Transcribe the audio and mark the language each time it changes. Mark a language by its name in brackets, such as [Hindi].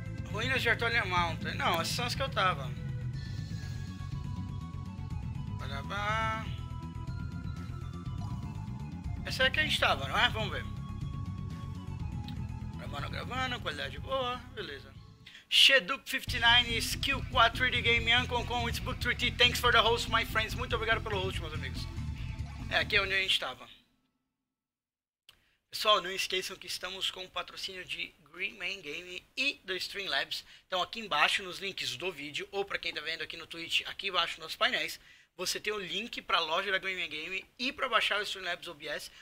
[Portuguese] Ruínas de Artolia Mountain. Não, essas são as que eu tava. Olha lá. Essa é a que a gente tava, não é? Vamos ver. Gravando, qualidade boa, beleza. [English] Sheduk 59, Skill 4 3D Game, Ancon, It's Book 3T, thanks for the host, my friends. [Portuguese] Muito obrigado pelo host, meus amigos. É aqui onde a gente estava. Pessoal, não esqueçam que estamos com o patrocínio de Green Man Game e do Streamlabs. Então, aqui embaixo, nos links do vídeo, ou para quem está vendo aqui no Twitch, aqui embaixo nos painéis, você tem o link para a loja da Green Man Game e para baixar o Streamlabs OBS.